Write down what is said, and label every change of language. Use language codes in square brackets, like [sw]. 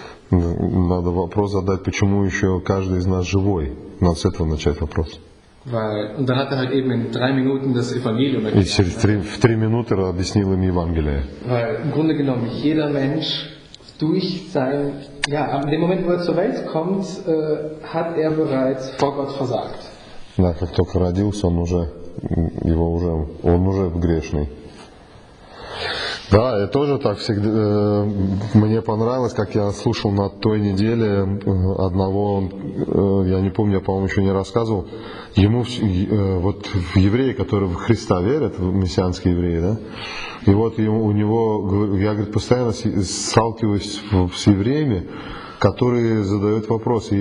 [ru] Надо вопрос задать, почему еще каждый из нас живой? Надо с этого начать вопрос. И через три минуты объяснил им Евангелие. [de] Weil im Grunde genommen jeder Mensch durch sein ja ab dem Moment, wo er zur Welt kommt, hat er bereits vor Gott versagt. [ru] Да, как только родился, он уже его уже он уже грешный. Да, я тоже так всегда. Мне понравилось, как я слушал на той неделе одного, я не помню, я, по-моему, еще не рассказывал, ему вот евреи, которые в Христа верят, мессианские евреи, да, и вот ему, у него, я, говорит, постоянно сталкиваюсь с евреями, которые задают вопросы.